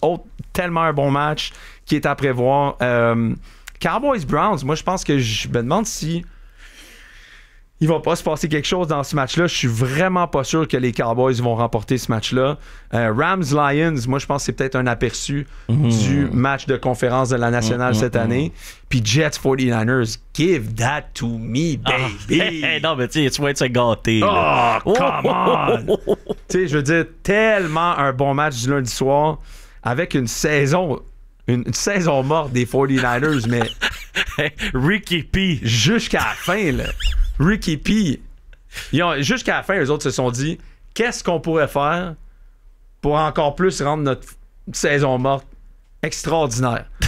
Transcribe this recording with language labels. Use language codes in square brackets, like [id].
[fr] Oh, tellement un bon match qui est à prévoir. Cowboys, Browns. Moi, je pense que je me demande si il va pas se passer quelque chose dans ce match-là. Je suis vraiment pas sûr que les Cowboys vont remporter ce match-là. Rams-Lions, moi, je pense que c'est peut-être un aperçu du match de conférence de la Nationale cette année. [en] Puis Jets-49ers, give that to me, baby! Oh, [fr] hey, non, mais tu vas être gâté. [en] Oh, come on! [fr] Tu sais, je veux dire, tellement un bon match du lundi soir avec une saison morte des 49ers, mais... Ricky P! Jusqu'à la fin, là! Ricky P, jusqu'à la fin, eux autres se sont dit, qu'est-ce qu'on pourrait faire pour encore plus rendre notre saison morte extraordinaire?